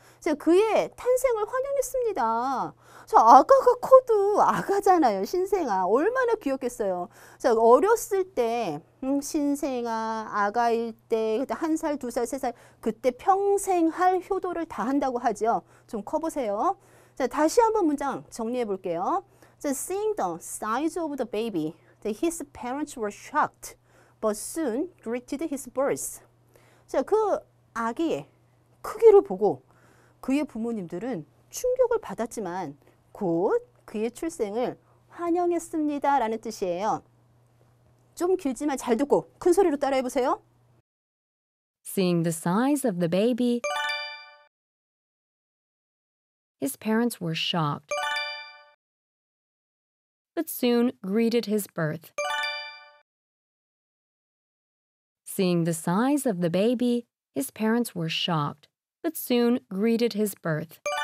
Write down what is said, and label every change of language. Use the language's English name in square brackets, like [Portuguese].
[Korean] 자, 그의 탄생을 환영했습니다. 자, 아가가 커도 아가잖아요. 신생아 얼마나 귀엽겠어요. 자, 어렸을 때 신생아 아가일 때 그때 한 살, 두 살, 세 살 그때 평생 할 효도를 다 한다고 하죠. 좀 커 보세요. 자, 다시 한번 문장 정리해 볼게요. [English] So seeing the size of the baby, his parents were shocked, but soon greeted his birth. [Korean] 자, 그 아기의 크기를 보고 그의 부모님들은 충격을 받았지만 곧 그의 출생을 환영했습니다 라는 뜻이에요. 좀 길지만 잘 듣고 큰 소리로 따라해 보세요. [English] Seeing the size of the baby, his parents were shocked, but soon greeted his birth. Seeing the size of the baby, his parents were shocked, but soon greeted his birth.